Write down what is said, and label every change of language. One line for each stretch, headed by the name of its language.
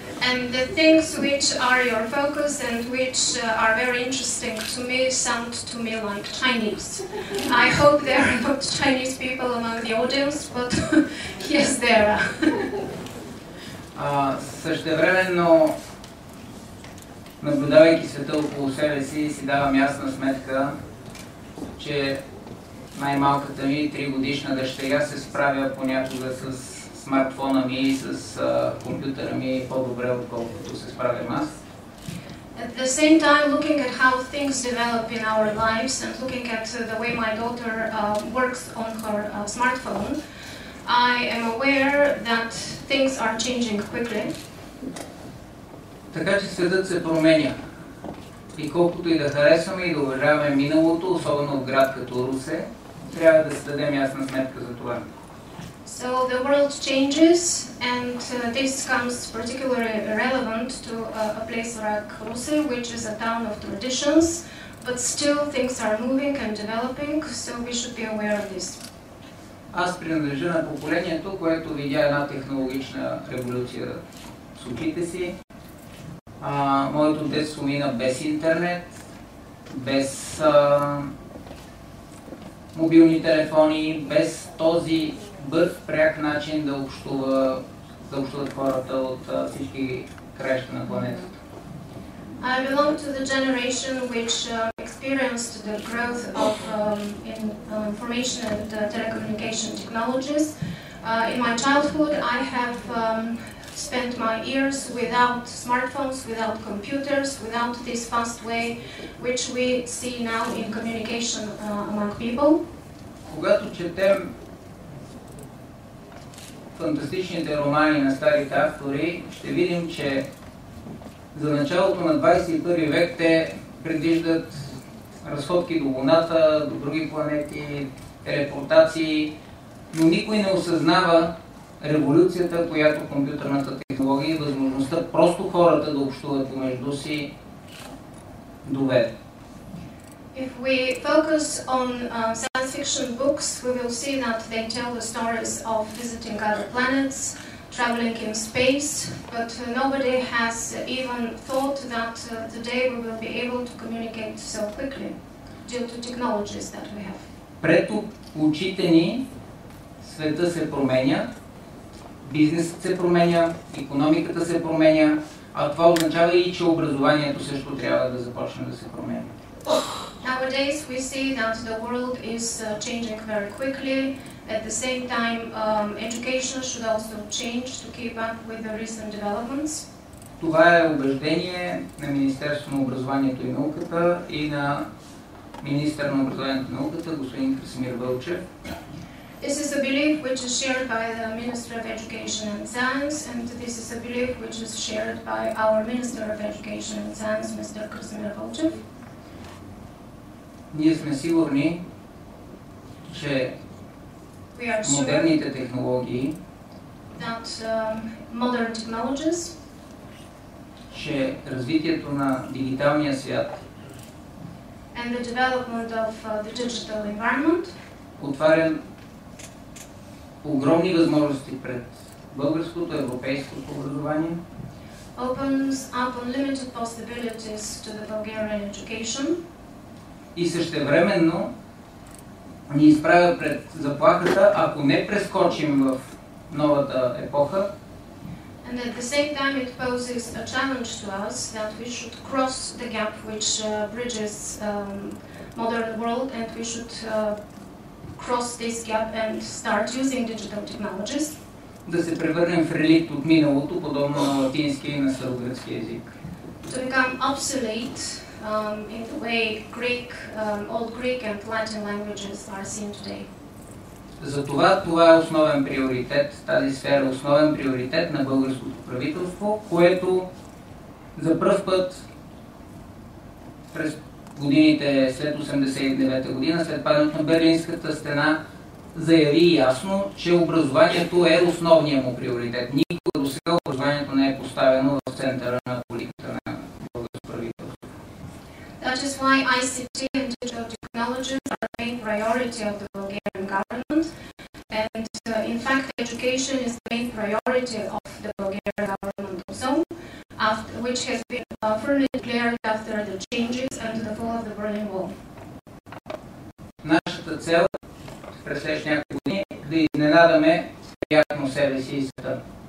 English: And the things which are your focus and which are very interesting to me sound to me like Chinese. I hope there are not Chinese people among the audience, but yes, there are.
Bulgarian: Същевременно, наблюдавайки света около себе си, си давам ясна сметка, че най-малката ми 3-годишна дъщеря се справя понякога с смартфона ми и с компютъра ми по-добре, отколкото се справям аз.
English: At the same time, looking at how things develop in our lives and looking at the way my daughter works on her smartphone, I am aware that things are changing quickly.
Bulgarian: Така че светът се променя. И колкото и да харесваме и да уважаваме миналото, особено в град като Русе, трябва да се дадем ясна сметка за това.
English: So the world changes and this comes particularly relevant to a place like Ruse, which is a town of traditions, but still things are moving and developing, so we should be aware of this.
Bulgarian: Аз принадлежа на поколението, което видя една технологична революция с очите си. Моето детство мина без интернет, без мобилни телефони, без този бърз, пряк начин да общуват хората от всички краища на планетата.
English: I belong to the generation which experienced the growth of information and telecommunication technologies. In my childhood, I have spent my years without smartphones, without computers, without this fast way which we see now in communication among people.
Bulgarian: Когато четем фантастичните романи на старите автори, ще видим, че за началото на 21 век те предвиждат разходки до Луната, до други планети, телепортации, но никой не осъзнава революцията, която компютърната технология и възможността просто хората да общуват помежду си доведе.
English: If we focus on science fiction books, we will see that they tell the stories of visiting other planets, traveling in space, but nobody has even thought that today we will be able to communicate so quickly due to technologies that we have.
Bulgarian: Пред очите ни света се променя, бизнесът се променя, икономиката се променя, а това означава и, че образованието също трябва да започне да се променя.
English: Nowadays we see that the world is changing very quickly. At the same time, education should also change to keep up with the recent developments.
Bulgarian: Това е убеждение на Министерството на образованието и науката и на министър на образованието и науката, господин Красимир Вълчев.
English: This is a belief which is shared by the Minister of Education and Science, and this is a belief which is shared by our Minister of Education and Science, Mr. Krasimir Vulchev.
Bulgarian: Ние сме сигурни, че модерните технологии,
English: that, modern technologies,
Bulgarian: че развитието на дигиталния свят
English: and the development of the digital environment
Bulgarian: отваря огромни възможности пред българското, европейското образование.
English: Opens up unlimited possibilities to the Bulgarian education.
Bulgarian: И същевременно ни изправя пред заплахата, ако не прескочим в новата епоха.
English: And at the same time it poses a challenge to us that we should cross the gap which bridges modern world and we should cross this gap and start using digital technologies.
Bulgarian: Да се превърнем в релит от миналото, подобно на латински и на старогръцки език.
English: To become obsolete in the way Greek, old Greek and Latin languages are seen today.
Bulgarian: Затова това е основен приоритет, тази сфера е основен приоритет на българското правителство, което за пръв път през годините след 89-та година, след падането на Берлинската стена, заяви ясно, че образованието е основният му приоритет. Никога до сега образованието не е поставено в центъра на политиката на българското правителство.
English: That is why ICT and digital technologies are the main priority of the Bulgarian government. And in fact, education is the main priority of the Bulgarian government also, after, which has been firmly declared after the changes and the fall of the Berlin Wall.
Bulgarian: Нашата цел през следващите няколко години да изненадаме приятно себе си и света.